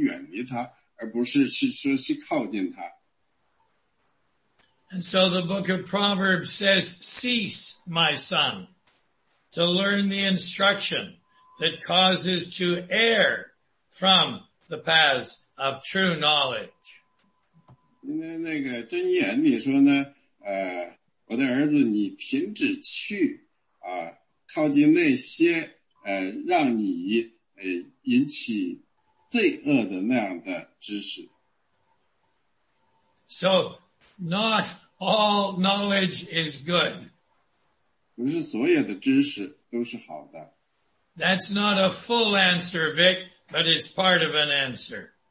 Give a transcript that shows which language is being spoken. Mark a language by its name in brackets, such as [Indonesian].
[Chinese] 这里还是认为呢，这里的问题呢，就是说这里管知识是关于神的知识，就是关于爱的知识。就算我们回到伊甸园的时候，那有一个邪恶的果子，那个知识的树，一个神就告诉他们说你别吃这个果子，你吃了以后你就知道那个什么是邪恶的，什么是那个。所以有了这样的知识呢，你就知道什么邪恶，所以说当我们知道什么邪恶的时候呢，我们应该远离它，而不是去靠近它。 [English] And so the book of Proverbs says, cease, my son, to learn the instruction that causes to err from the paths of true knowledge. [Chinese] 那个真言里说呢，我的儿子，你停止去靠近那些让你引起罪恶的那样的知识。 [English] So, not all knowledge is good. [Chinese] 不是所有的知识都是好的。 [English] That's not a full answer, Vic, but it's part of an answer.